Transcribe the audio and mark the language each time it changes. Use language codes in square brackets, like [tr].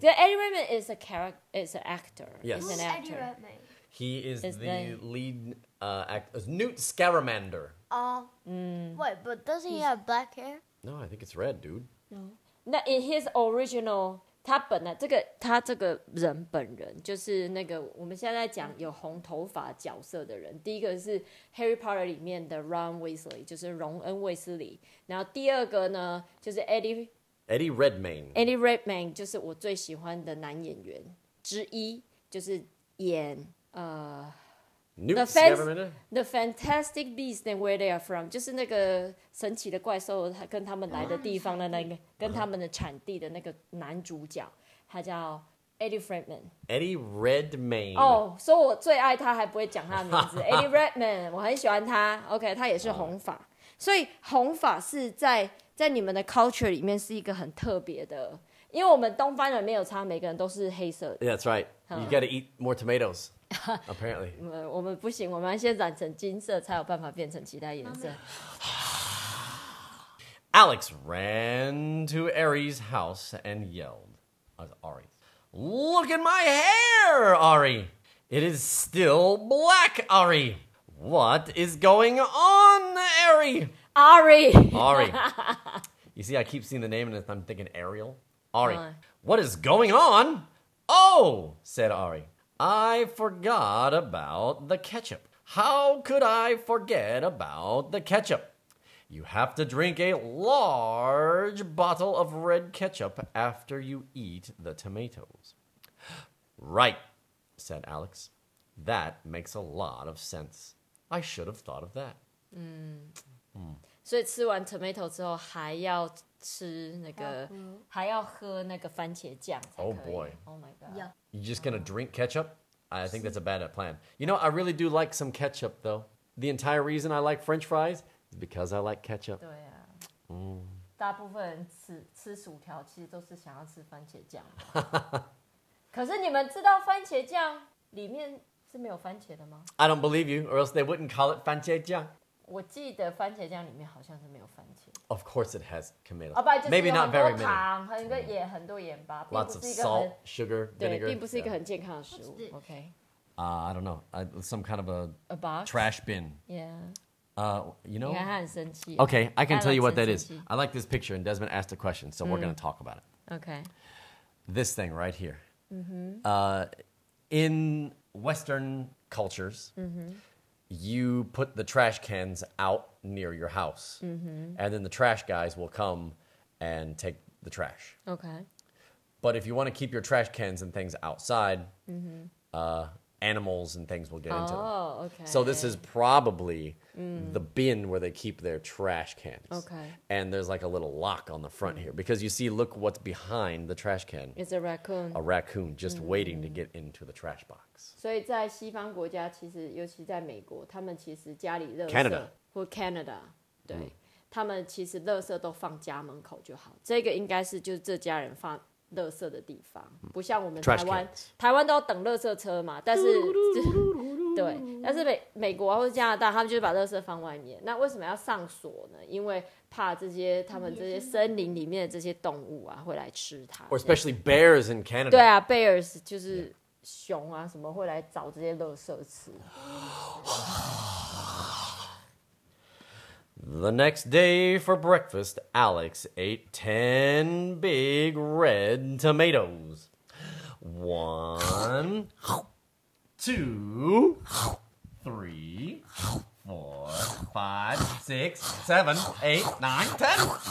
[en] Like, Eddie Redmayne is a character, is an actor. Yes. He's an actor. He is the lead actor. Newt Scaramander. Wait, but does he have black hair? No, I think it's red, dude. No. In his original... [zh] 他本来这个他这个人本人就是那个我们现在讲有红头发角色的人第一个是 Harry Potter 里面的 Ron Weasley 就是荣恩·威斯里然后第二个呢就是 Eddie [en] Redmayne [zh] Eddie Redmayne 就是我最喜欢的男演员之一就是演The Fantastic Beasts and Where They Are From 就是那个神奇的怪兽跟他们来的地方的那个跟他们的产地的那个男主角他叫 Eddie Redmayne [en] Eddie Redmayne [zh] 哦，所以我最爱他还不会讲他的名字Eddie Redmayne 我很喜欢他 OK 他也是红发所以红发是在你们的 culture 里面是一个很特别的因为我们东方人没有差每个人都是黑色的 [en] That's right You gotta eat more tomatoes Apparently [zh] 我们不行我们先染成金色才有办法变成其他颜色 [en] Alex ran to Ari's house and yelled Ari Look at my hair Ari It is still black Ari What is going on Ari Ari You see I keep seeing the name and I'm thinking Ariel Ari What is going on Oh said AriI forgot about the ketchup. How could I forget about the ketchup? You have to drink a large bottle of red ketchup after you eat the tomatoes. Right, said Alex. That makes a lot of sense. I should have thought of that. [zh] So, 吃完 tomato 之后还要吃那个还要喝那个番茄酱才可以。 [en] Oh boy. Oh my god. You're just gonna drink ketchup? I think that's a bad plan. You know, I really do like some ketchup, though. The entire reason I like French fries is because I like ketchup. [zh] 对啊。大部分人吃薯条其实都是想要吃番茄酱。可是你们知道番茄酱里面是没有番茄的吗? [en] I don't believe you, or else they wouldn't call it 番茄酱。 [zh] 我记得番茄酱里面好像是没有番茄。 [en] Of course it has tomatoes. Maybe not very many. [zh] 很多盐，很多盐巴。 [en] Lots of salt, sugar, vinegar. [zh] 对，并不是一个很健康的食物。 [en] Okay. I don't know. Some kind of a box? Trash bin. Yeah. You know? [zh] 你看他很生气。 [en] Okay, I can tell you what that is. I like this picture, and Desmond asked a question, so we're going to talk about it. Okay. This thing right here. In Western cultures, you put the trash cans out near your house. And then the trash guys will come and take the trash. Okay. But if you want to keep your trash cans and things outside, mm-hmm. Animals and things will get into them. Oh, okay. So this is probably the bin where they keep their trash cans. Okay. And there's like a little lock on the front here. Because you see, look what's behind the trash can. It's a raccoon. A raccoon just waiting to get into the trash box. [zh] 所以在西方国家其实尤其在美国他们其实家里垃圾 [en] Canada. [zh] 或 Canada, 对。他们其实垃圾都放家门口就好。这个应该是就是这家人放垃圾的地方。不像我们台湾。台湾都要等垃圾车嘛。但是。对。但是 美国或加拿大他们就是把垃圾放外面。那为什么要上锁呢？因为怕这些他们这些森林里面的这些动物啊会来吃它。 [en] Or especially bears in Canada. [zh] 对啊 ,bears 就是熊啊什么会来找这些垃圾吃。 [en] The next day for breakfast, Alex ate 10 big red tomatoes. 1, 2, 3, 4, 5, 6, 7, 8, 9, 10.